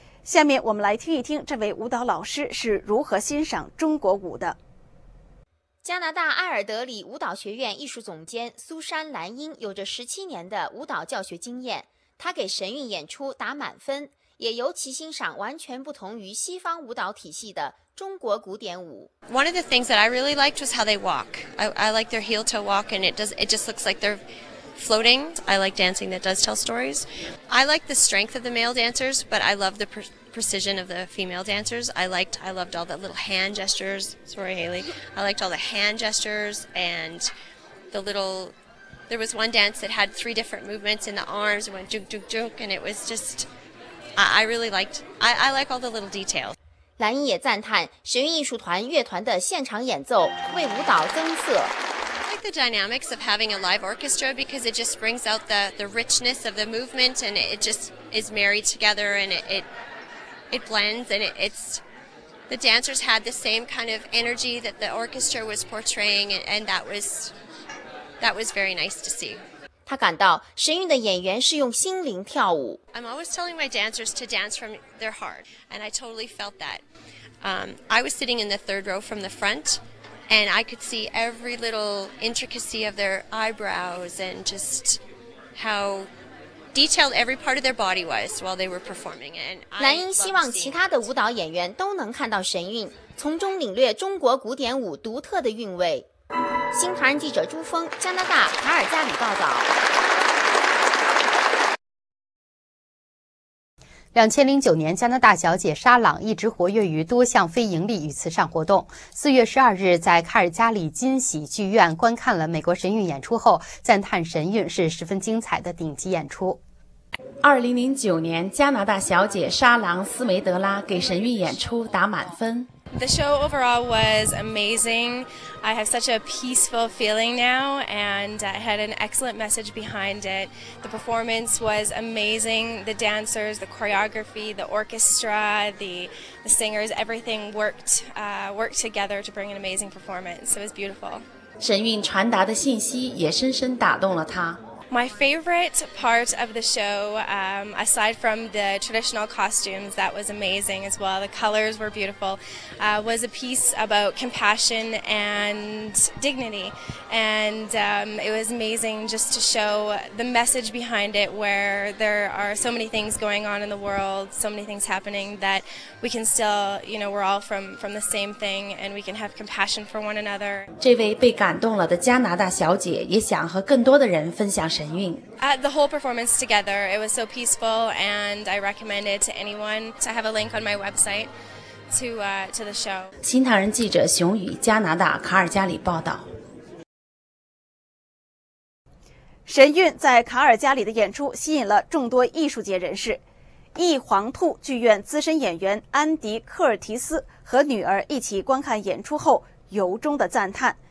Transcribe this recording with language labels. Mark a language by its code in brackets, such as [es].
[zh] 下面我们来听一听这位舞蹈老师是如何欣赏中国舞的。加拿大埃尔德里舞蹈学院艺术总监苏珊·兰因有着17年的舞蹈教学经验，他给神韵演出打满分，也尤其欣赏完全不同于西方舞蹈体系的中国古典舞。 [en] One of the things that I really liked was how they walk. I like their heel toe walk, and it just looks like they're floating. I like dancing that does tell stories. I like the strength of the male dancers, but I love the precision of the female dancers. I loved all the little hand gestures. Sorry, Haley. I liked all the hand gestures and the little. There was one dance that had three different movements in the arms, it went juk juk juk, and it was just, I like all the little details. [zh] 兰因也赞叹神韵艺术团乐团的现场演奏为舞蹈增色。 [en] I like the dynamics of having a live orchestra because it just brings out the richness of the movement and it just is married together and it blends and it's... The dancers had the same kind of energy that the orchestra was portraying, and that was very nice to see. [zh] 他感到神韵的演员是用心灵跳舞。 [en] I'm always telling my dancers to dance from their heart, and I totally felt that. I was sitting in the third row from the front, and I could see every little intricacy of their eyebrows and just how... detailed every part of their body was while they were performing. [zh] 兰因希望其他的舞蹈演员都能看到神韵，从中领略中国古典舞独特的韵味。新唐人记者朱峰，加拿大卡尔加里报道。 2009年，加拿大小姐莎朗一直活跃于多项非盈利与慈善活动。 4月12日，在卡尔加里金喜剧院观看了美国神韵演出后，赞叹神韵是十分精彩的顶级演出。 2009年，加拿大小姐莎朗·斯梅德拉给神韵演出打满分。 [en] The show overall was amazing. I have such a peaceful feeling now, and I had an excellent message behind it. The performance was amazing. The dancers, the choreography, the orchestra, the singers, everything worked together to bring an amazing performance. It was beautiful. [zh] 神韵传达的信息也深深打动了他。 [en] My favorite part of the show, aside from the traditional costumes, that was amazing as well, the colors were beautiful, was a piece about compassion and dignity. And it was amazing just to show the message behind it, where there are so many things going on in the world, so many things happening that we can still, you know, we're all from the same thing and we can have compassion for one another. [zh] 这位被感动了的加拿大小姐也想和更多的人分享神韵。 [en] At the whole performance together, it was so peaceful, and I recommend it to anyone. I have a link on my website to the show. [zh] 新唐人记者熊宇，加拿大卡尔加里报道。神韵在卡尔加里的演出吸引了众多艺术界人士。艺皇兔剧院资深演员安迪·科尔提斯和女儿一起观看演出后，由衷的赞叹。